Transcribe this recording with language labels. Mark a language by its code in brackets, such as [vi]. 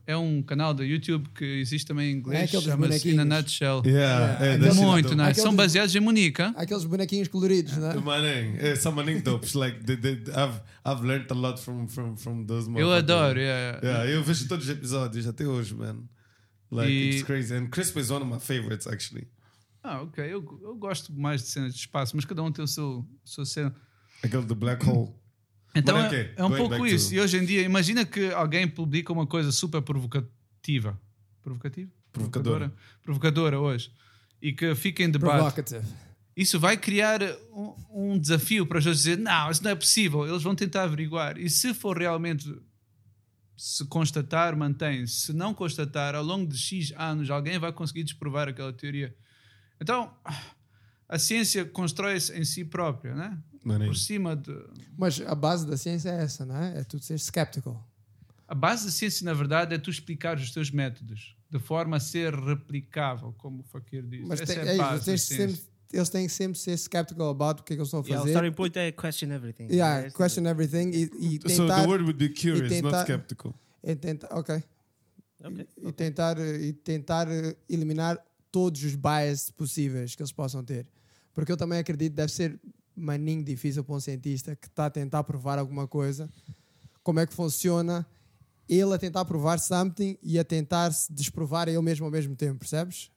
[pt] É um canal do YouTube que existe também em inglês, chama-se In a Nutshell. [en] Yeah, [pt] é muito nice. Aqueles, são baseados em Munique. Aqueles bonequinhos coloridos, né? São maninho dopes. [en] Like, I've learned a lot from those [pt] moments. Eu adoro, Eu vejo todos os episódios até hoje, man. [en] Like, it's crazy. And CRISPR is one of my favorites, actually. [pt] Ah, ok. Eu gosto mais de cenas de espaço, mas cada um tem o seu cena. Aquele do Black Hole. Então é um pouco isso. E hoje em dia, imagina que alguém publica uma coisa super provocativa. Provocativa? Provocadora. Provocadora hoje. E que fica em debate. [en] Provocative. [pt] Isso vai criar um desafio para as pessoas dizer, não, isso não é possível. Eles vão tentar averiguar. E se for realmente, se constatar, mantém. Se não constatar, ao longo de X anos, alguém vai conseguir desprovar aquela teoria. Então, a ciência constrói-se em si própria, né? Money. Por cima de... Mas a base da ciência é essa, não é? É tu ser skeptical. A base da ciência, na verdade, é tu explicares os teus métodos de forma a ser replicável, como o Fakir diz. Mas eles têm que sempre ser [en] skeptical about [pt] o que eles estão a fazer. [en] O starting point é question everything. Yeah, right? Question everything. [pt] E tentar, [en] so the word would be curious, tentar, not skeptical. [pt] E tentar eliminar todos os biases possíveis que eles possam ter. Porque eu também acredito que deve ser maninho difícil para um cientista que está a tentar provar alguma coisa, como é que funciona, ele a tentar provar something e a tentar se desprovar a ele mesmo ao mesmo tempo, percebes?